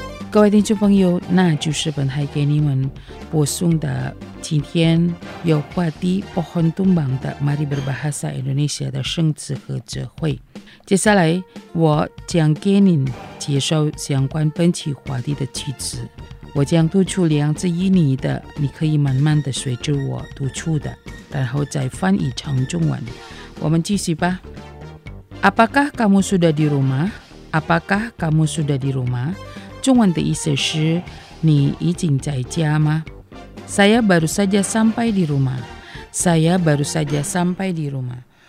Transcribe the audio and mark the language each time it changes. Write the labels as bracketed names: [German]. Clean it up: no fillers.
[Chinese] 各位听众朋友，那就是本台给你们播送的今天有话题 Pohon Tumbang 的 Mari Berbahasa Indonesia 的生词和词汇。接下来我将给您介绍相关本期话题的句子，我将读出两字印尼的，你可以慢慢的随着我读出的，然后再翻译成中文。我们继续吧。 [Indonesian] Apakah kamu sudah di rumah? Apakah kamu sudah di rumah? [Chinese] 中文的意思是你已经在家吗？ [Indonesian] Saya baru saja sampai di rumah. Saya baru saja sampai di rumah.